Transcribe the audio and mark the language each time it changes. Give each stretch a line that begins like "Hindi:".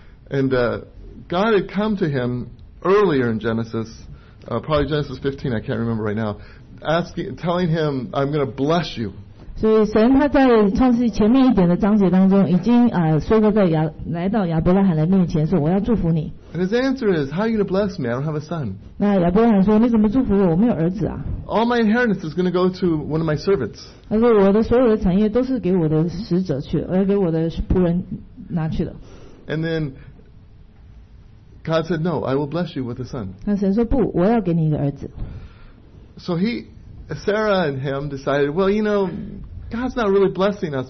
English: And God had come to him earlier in Genesis, probably Genesis 15, I can't remember right now, telling him, I'm going to bless you.
Chinese: 所以神他在创世前面一点的章节当中已经说过来到亚伯拉罕的面前说我要祝福你。
English: And his answer is, how are you going to bless me? I don't have a son.
Chinese: 那亚伯拉罕说你怎么祝福我？我没有儿子啊。
English: All my inheritance is going to go to one of my servants.
Chinese: 他说我的所有的产业都是给我的仆人拿去了。
English: And then God said, no, I will bless you with a son.
Chinese: 那神说不，我要给你一个儿子。
English: So Sarah and him decided, well, you know, God's not really blessing us.